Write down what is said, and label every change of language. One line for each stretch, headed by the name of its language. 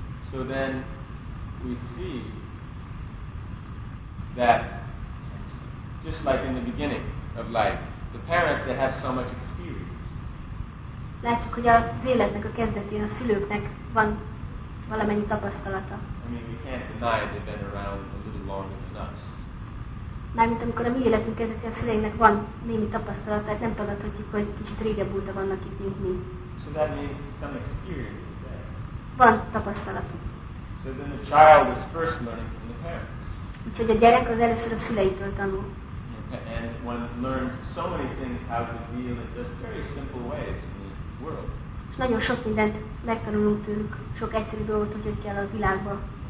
English: So then we see that just like in the beginning of life, the parents that have so much experience.
Hungarian: Látjuk, hogy az életnek a kezdetén a szülőknek van valamennyi tapasztalata.
English: I mean, we can't deny they've been around a little longer than us.
Hungarian: Mármint amikor a mi életünk kezdetén a szüleinknek van némi tapasztalata, tehát nem tagadhatjuk, hogy kicsit régebb óta vannak itt, mint mi.
English: So that means some experience is there.
Hungarian: Van tapasztalatuk.
English: So then the child is first learning from the parents.
Hungarian: Úgyhogy a gyerek az először a szüleitől tanul.
English: And one learns so many things how to deal in just very simple ways in the world.
Hungarian: És nagyon sok mindent megtanulunk tőlük, sok egyszerű dolgot, hogy kell a világba